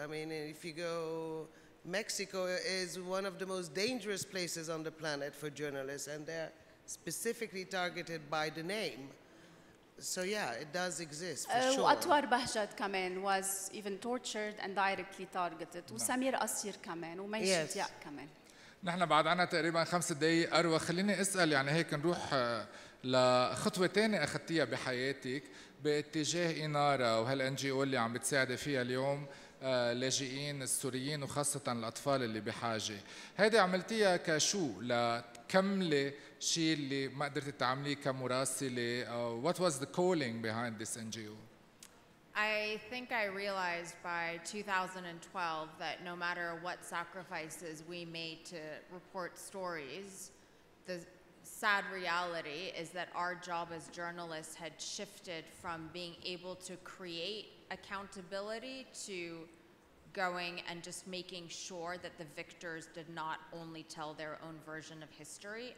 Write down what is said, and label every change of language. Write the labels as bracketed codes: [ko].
[en] I mean, if you go, Mexico is one of the most dangerous places on the planet for journalists, and they're specifically targeted by the name. So yeah, it does exist, for sure. Atwar Bahjat Kamen was even tortured and directly targeted. Samir Asir Kamen, Umayshit Yaq Kamen. [ar] نحن بعد عنا تقريبا خمس دقائق أروى خليني أسأل يعني هيك نروح لخطوة تانية أخذتيها بحياتك باتجاه إنارا وهالNGO اللي عم بتساعد فيها اليوم لاجئين السوريين وخاصة الأطفال اللي بحاجة. هذه عملتيها كشو لتكملي شيء اللي ما قدرت تعمليه كمراسلة؟ [en] What was the calling behind this NGO? I think I realized by 2012 that no matter what sacrifices we made to report stories, the sad reality is that our job as journalists had shifted from being able to create accountability to going and just making sure that the victors did not only tell their own version of history.